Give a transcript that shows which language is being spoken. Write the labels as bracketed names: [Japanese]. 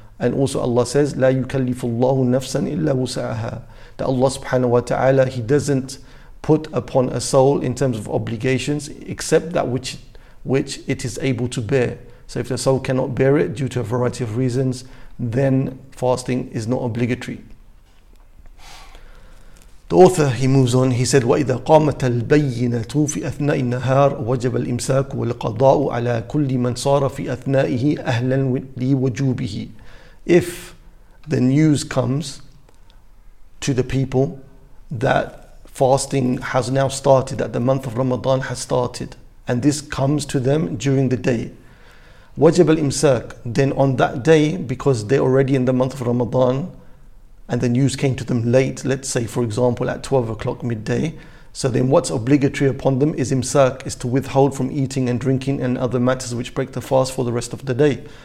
[English] And also Allah says, [Arabic] لا يكلف الله نفسا إلا وسعها, [English] that Allah subhanahu wa ta'ala, He doesn't put upon a soul in terms of obligations except that which it is able to bear. So if the soul cannot bear it due to a variety of reasons, then fasting is not obligatory. The author, he moves on, he said, [Arabic] وَإِذَا قَامَتَ الْبَيِّنَةُ فِي أَثْنَاءِ النَّهَارِ وَجَبَ الْإِمْسَاكُ وَالْقَضَاءُ عَلَىٰ كُلِّ مَنْ صَارَ فِي أَثْنَائِهِ أَهْلًا لِوَجُوبِهِ. [English] If the news comes to the people that fasting has now started, that the month of Ramadan has started, and this comes to them during the day, [Arabic] وَجَبَ الْإِمْسَاكُ, [English] then on that day, because they're already in the month of Ramadan, and the news came to them late, let's say for example at 12 o'clock midday, so then what's obligatory upon them is imsak, is to withhold from eating and drinking and other matters which break the fast for the rest of the day.